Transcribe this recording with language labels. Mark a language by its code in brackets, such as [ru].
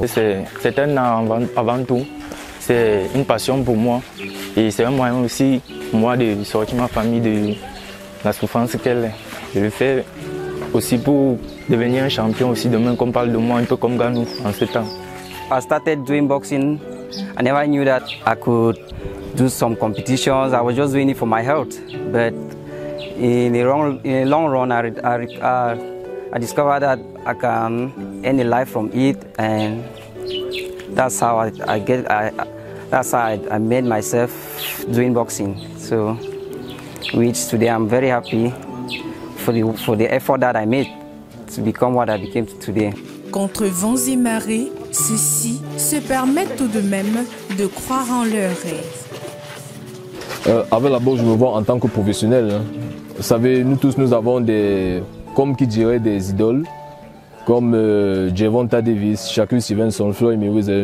[fr] C'est un avant tout, c'est une passion pour moi. Et c'est un moyen aussi pour moi de sortir ma famille de la souffrance qu'elle est. Je le fais aussi pour devenir un champion aussi demain, qu'on parle de moi un peu comme Ganou en ce temps. [en] I started doing boxing. I never knew that I could do some competitions. I was just doing it for my health. But in the long run, I discovered that I can earn a life from it, and that's how I made myself doing boxing. So, which today I'm very happy for the effort that I made to become what I became today. [fr] Contre vents et marées, ceux-ci se permettent tout de même de croire en leur rêve. Avec la boxe, je me vois en tant que professionnel. Hein. Vous savez, nous tous, nous avons des idoles, comme Gervonta Davis, Shakur Stevenson, Floyd Mayweather.